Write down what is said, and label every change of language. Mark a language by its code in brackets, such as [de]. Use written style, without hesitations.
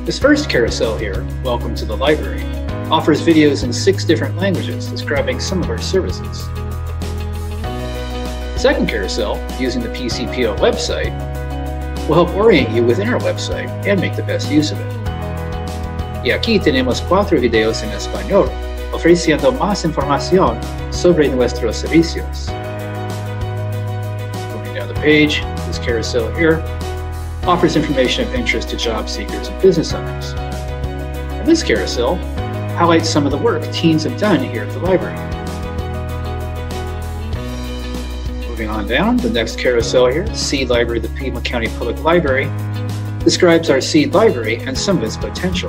[en] This first carousel here, Welcome to the Library, offers videos in 6 different languages describing some of our services. The second carousel, using the PCPL website, will help orient you within our website and make the best use of it. [es] Y aquí tenemos 4 videos en español, ofreciendo más información sobre nuestros servicios. [en] Moving down the page, this carousel here offers information of interest to job seekers and business owners. And this carousel highlights some of the work teens have done here at the library. Moving on down, the next carousel here, Seed Library, the Pima County Public Library, describes our Seed Library and some of its potential.